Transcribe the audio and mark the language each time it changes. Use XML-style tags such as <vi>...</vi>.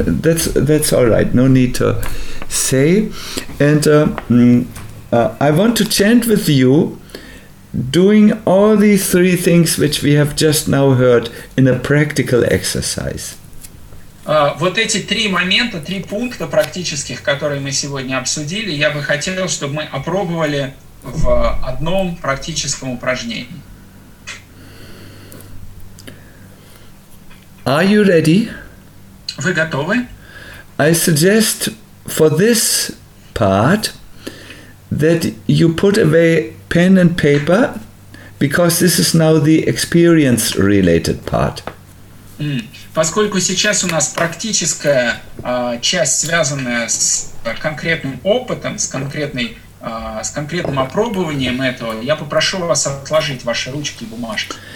<en>That's all right, no need to say. And I want to chant with you doing all these three things which we have just now heard in a practical exercise.</en> <ru>Вот эти три момента, три пункта практических, которые мы сегодня обсудили, я бы хотел, чтобы мы опробовали в одном практическом упражнении.</ru> <en>Are you ready?</en> <ru>Вы готовы?</ru> <en>I suggest for this part that you put away pen and paper, because this is now the experience-related part.</en> <ru>Поскольку сейчас у нас практическая часть, связанная с конкретным опытом, с конкретным опробованием этого, я попрошу вас отложить ваши ручки и бумажки.</ru>